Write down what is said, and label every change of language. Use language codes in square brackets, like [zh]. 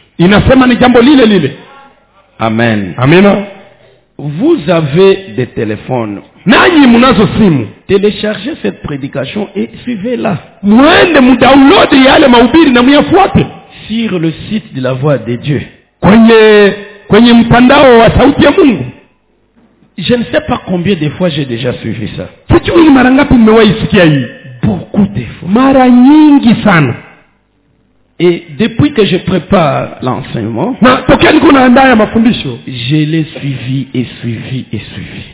[sw] Inasema ni jambo lile lile. Amen. Amina. [fr] Vous avez des téléphones. [sw] Nani mnazo simu? [fr] Téléchargez cette prédication et suivez-la. [sw] Mwende mdownload yale mahubiri na mnyafuate. [fr] Sur le site de la voix de Dieu. [sw] Kwenye mtandao wa sauti ya Mungu. [fr] Je ne sais pas combien de fois j'ai déjà suivi ça. [sw] Sijui ni mara ngapi nimewahi sikia hii. [fr] Beaucoup de fois. [sw] Mara nyingi sana. [fr] Et depuis que je prépare l'enseignement, [sw] na tokeni kuna andaya mafundisho, [fr] je l'ai suivi et suivi et suivi.